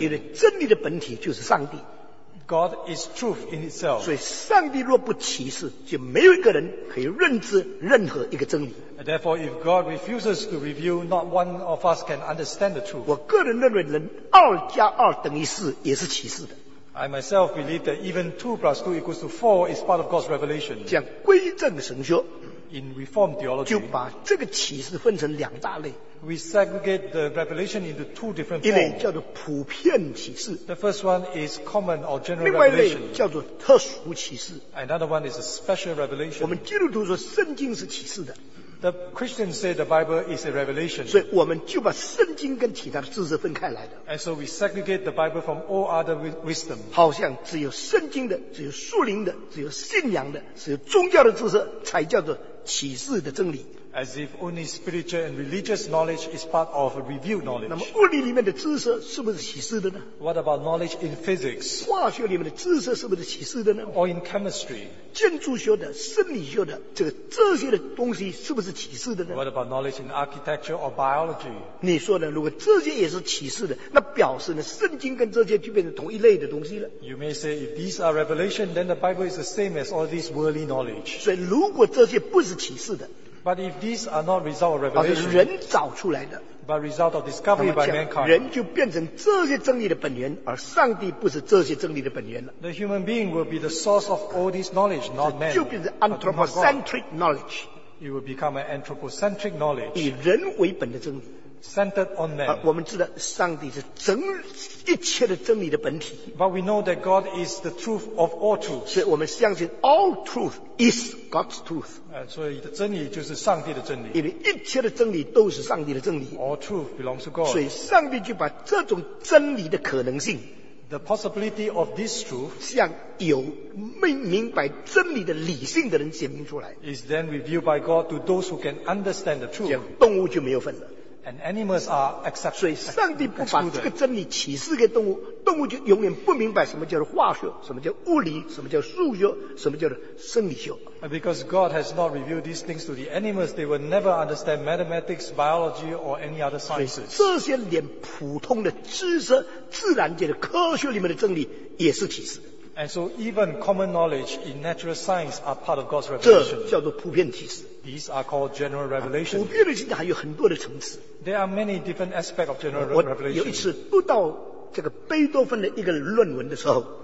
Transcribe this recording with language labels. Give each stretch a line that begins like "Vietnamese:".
Chinese: 因为真理的本体就是上帝。
English: God is truth in itself.
Chinese: 所以，上帝若不启示，就没有一个人可以认知任何一个真理。
English: Therefore, if God refuses to reveal, not one of us can understand the truth.
Chinese: 我个人认为，人二加二等于四也是启示的。
English: I myself believe that even 2 + 2 = 4 is part of God's revelation.
Chinese: 这样归正神学
English: ，in Reform theology，
Chinese: 就把这个启示分成两大类。
English: We segregate the revelation into two different
Chinese: forms. 一类叫做普遍启示。
English: The first one is common or general revelation.
Chinese: 另外一类叫做特殊启示。
English: Another one is a special revelation.
Chinese: 我们基督徒说圣经是启示的。
English: The Christians say the Bible is a revelation.
Chinese: 所以我们就把圣经跟其他的知识分开来的。
English: And so we segregate the Bible from all other wisdom.
Chinese: 好像只有圣经的，只有属灵的，只有信仰的，只有宗教的知识才叫做启示的真理。
English: As if only spiritual and religious knowledge is part of revealed knowledge.
Chinese: 那么物理里面的知识是不是启示的呢？
English: What about knowledge in physics?
Chinese: 化学里面的知识是不是启示的呢？
English: Or in chemistry?
Chinese: 建筑学的、生理学的这个这些的东西是不是启示的呢？
English: What about knowledge in architecture or biology?
Chinese: 你说呢？如果这些也是启示的，那表示呢，圣经跟这些就变成同一类的东西了。
English: You may say if these are revelation, then the Bible is the same as all these worldly knowledge.
Chinese: 所以如果这些不是启示的。
English: But if these are not result of revelation,
Chinese: 而是人找出来的
English: but result of discovery by mankind,
Chinese: 人就变成这些真理的本源，而上帝不是这些真理的本源了。
English: The human being will be the source of all this knowledge, not man.
Chinese: 就变成 anthropocentric knowledge.
English: It will become an anthropocentric knowledge.
Chinese: 以人为本的真理
English: centered on man.
Chinese: 我们知道上帝是整一切的真理的本体。
English: But we know that God is the truth of all truth. 所以我们相信 all truth is God's truth.
Chinese: 所以真理就是上帝的真理。因为一切的真理都是上帝的真理。
English: All truth belongs to God.
Chinese: 所以上帝就把这种真理的可能性
English: the possibility of this truth
Chinese: 向有明白真理的理性的人显明出来。
English: Is then revealed by God to those who can understand the truth.
Chinese: 这样动物就没有份了。
English: And animals are accepted.
Chinese: 所以上帝不把这个真理启示给动物，动物就永远不明白什么叫做化学，什么叫物理，什么叫数学，什么叫做生理学。
English: And because God has not revealed these things to the animals, they will never understand mathematics, biology, or any other sciences.
Chinese: 所以这些连普通的知识、自然界的科学里面的真理也是启示。
English: And so even common knowledge in natural science are part of God's revelation.
Chinese: 这叫做普遍启示。
English: These are called general revelation.
Chinese: 普遍的启示还有很多的层次。
English: There are many different aspects of general revelation.
Chinese: 我有一次读到这个贝多芬的一个论文的时候。